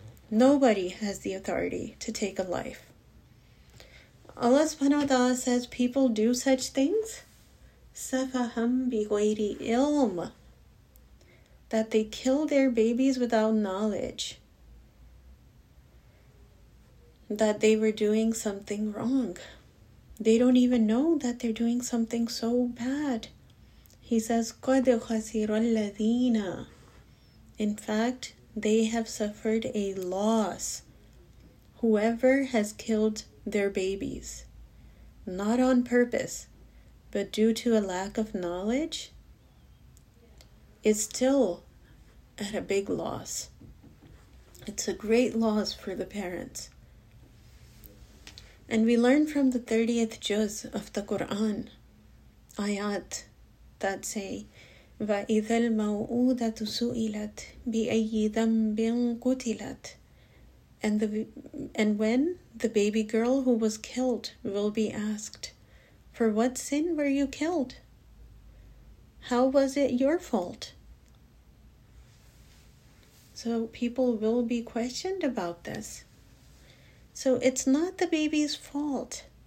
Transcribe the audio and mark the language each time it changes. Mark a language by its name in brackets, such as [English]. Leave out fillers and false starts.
[English] Nobody has the authority to take a life. Allah subhanahu wa ta'ala says people do such things, [Arabic] safaham bi ghayri ilm, [English] that they kill their babies without knowledge, that they were doing something wrong. They don't even know that they're doing something so bad. [Arabic] He says, قَدْ خَسِرَ الَّذِينَ. [English] In fact, they have suffered a loss. Whoever has killed their babies, not on purpose, but due to a lack of knowledge, is still at a big loss. It's a great loss for the parents. And we learn from the 30th juz of the Quran, ayat, that say, [Arabic] وإذا الموءودة سئلت بأي ذنب قتلت. [English] And when the baby girl who was killed will be asked, for what sin were you killed? How was it your fault? So people will be questioned about this. So it's not the baby's fault.